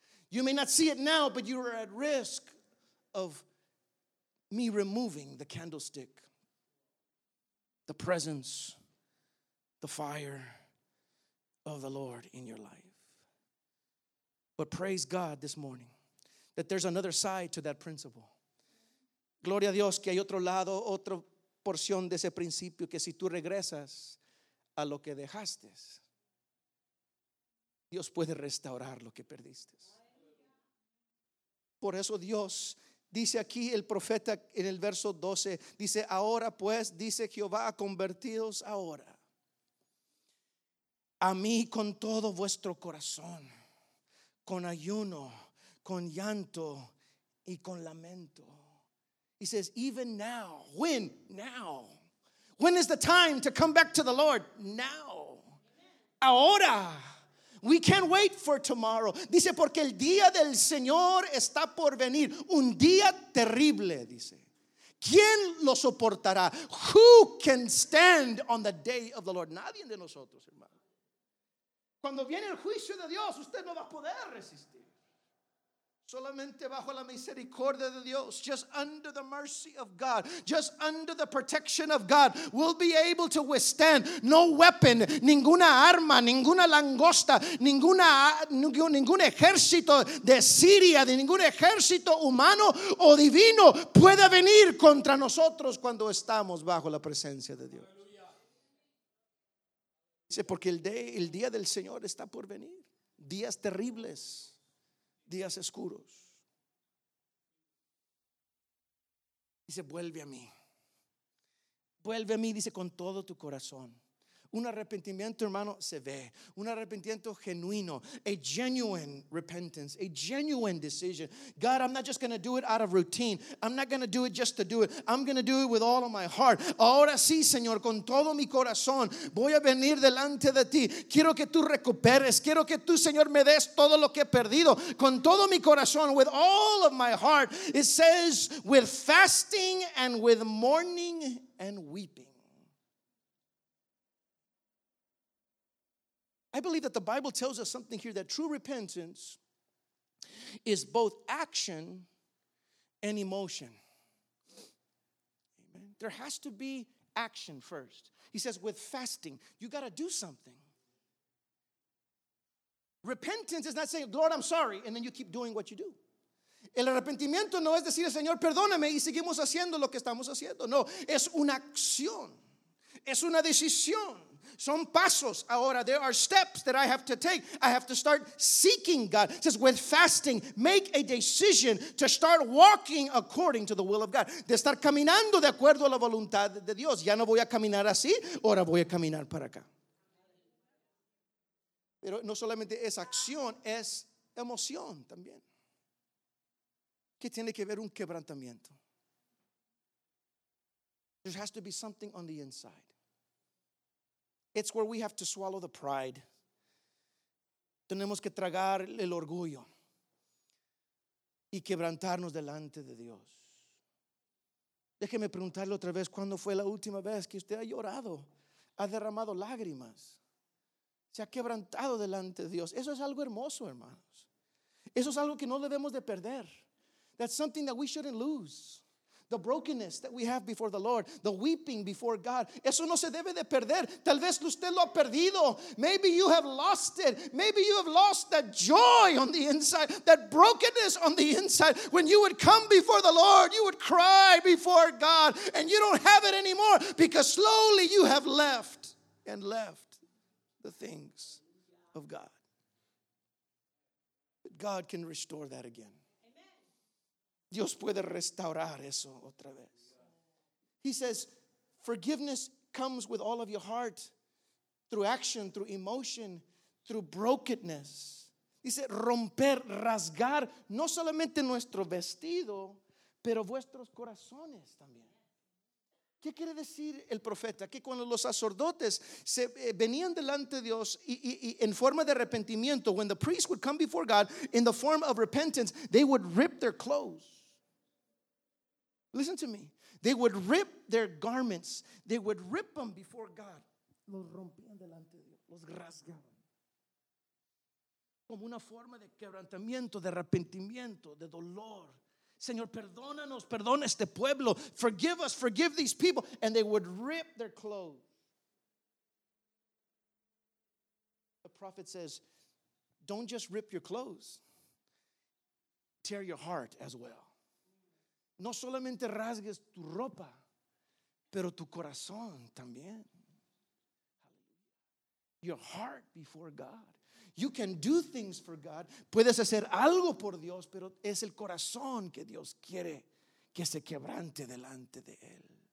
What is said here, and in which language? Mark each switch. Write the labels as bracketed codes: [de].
[en] You may not see it now, but you are at risk of me removing the candlestick, the presence, the fire of the Lord in your life. But praise God this morning that there's another side to that principle. [es] Gloria a Dios que hay otro lado, otra porción de ese principio, que si tú regresas a lo que dejaste, Dios puede restaurar lo que perdiste. Por eso Dios dice aquí el profeta en el verso 12, dice, ahora pues, dice Jehová, convertidos ahora a mí con todo vuestro corazón, con ayuno, con llanto y con lamento. [en] He says, even now, when? Now. When is the time to come back to the Lord? Now. Ahora. We can't wait for tomorrow. [es] Dice, porque el día del Señor está por venir. Un día terrible, dice. ¿Quién lo soportará? Who can stand on the day of the Lord? Nadie de nosotros, hermano. Cuando viene el juicio de Dios, usted no va a poder resistir. Solamente bajo la misericordia de Dios, [en] just under the mercy of God, just under the protection of God, we'll be able to withstand. No weapon, [es] ninguna arma, ninguna langosta, ningún ejército de Siria, de ningún ejército humano o divino puede venir contra nosotros cuando estamos bajo la presencia de Dios. Dice, porque el día del Señor está por venir. Días terribles, días oscuros. Dice, vuelve a mí. Vuelve a mí, dice, con todo tu corazón. Un arrepentimiento, hermano, se ve. Un arrepentimiento genuino. [en] A genuine repentance. A genuine decision. God, I'm not just going to do it out of routine. I'm not going to do it just to do it. I'm going to do it with all of my heart. [es] Ahora sí, Señor, con todo mi corazón, voy a venir delante de ti. Quiero que tú recuperes. Quiero que tú, Señor, me des todo lo que he perdido. Con todo mi corazón, [en] with all of my heart. It says, with fasting and with mourning and weeping. I believe that the Bible tells us something here, that true repentance is both action and emotion. Amen. There has to be action first. He says, with fasting, you got to do something. Repentance is not saying, Lord, I'm sorry, and then you keep doing what you do. [es] El arrepentimiento no es decir, Señor, perdóname, y seguimos haciendo lo que estamos haciendo. No, es una acción, es una decisión. Son pasos ahora. [en] There are steps that I have to take. I have to start seeking God. It says, with fasting, make a decision to start walking according to the will of God. [es] De estar caminando de acuerdo a la voluntad de Dios. Ya no voy a caminar así, ahora voy a caminar para acá. Pero no solamente es acción, es emoción también. ¿Qué tiene que ver un quebrantamiento? [en] There has to be something on the inside. It's where we have to swallow the pride. [es] Tenemos que tragar el orgullo y quebrantarnos delante de Dios. Déjeme preguntarle otra vez, ¿cuándo fue la última vez que usted ha llorado, ha derramado lágrimas, se ha quebrantado delante de Dios? Eso es algo hermoso, hermanos. Eso es algo que no debemos de perder. [en] That's something that we shouldn't lose. The brokenness that we have before the Lord, the weeping before God. [es] Eso no se debe de perder. Tal vez usted lo ha perdido. [en] Maybe you have lost it. Maybe you have lost that joy on the inside, that brokenness on the inside. When you would come before the Lord, you would cry before God, and you don't have it anymore because slowly you have left and left the things of God. But God can restore that again. [es] Dios puede restaurar eso otra vez. [en] He says, forgiveness comes with all of your heart, through action, through emotion, through brokenness. [es] Dice, romper, rasgar, no solamente nuestro vestido, pero vuestros corazones también. ¿Qué quiere decir el profeta? Que cuando los sacerdotes se venían delante de Dios y en forma de arrepentimiento, [en] when the priests would come before God in the form of repentance, they would rip their clothes. Listen to me. They would rip their garments. They would rip them before God. [es] Los rompían delante de Dios. Los rasgaban. Como una forma de quebrantamiento, de arrepentimiento, de dolor. Señor, perdónanos, perdona este pueblo. [en] Forgive us, forgive these people. And they would rip their clothes. The prophet says, don't just rip your clothes. Tear your heart as well. [es] No solamente rasgues tu ropa, pero tu corazón también. [en] Your heart before God. You can do things for God. [es] Puedes hacer algo por Dios, pero es el corazón que Dios quiere que se quebrante delante de Él.